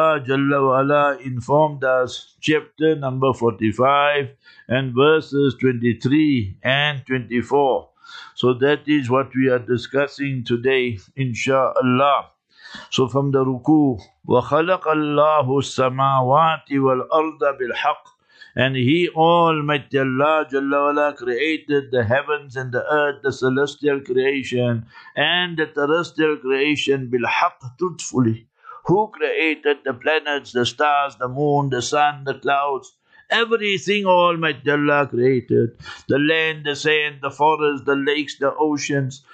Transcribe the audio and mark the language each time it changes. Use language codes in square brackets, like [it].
[en] Almighty Allah Jalla Wala informed us, chapter number 45, and verses 23 and 24. So that is what we are discussing today, insha'Allah. So from the ruku, [ar] وَخَلَقَ اللَّهُ السَّمَاوَاتِ وَالْأَرْضَ بِالْحَقِّ. [en] And He, Almighty Allah, Jalla Wala, created the heavens and the earth, the celestial creation, and the terrestrial creation, بِالْحَقِّ, truthfully. Who created the planets, the stars, the moon, the sun, the clouds? Everything Almighty Allah created, the land, the sand, the forest, the lakes, the oceans.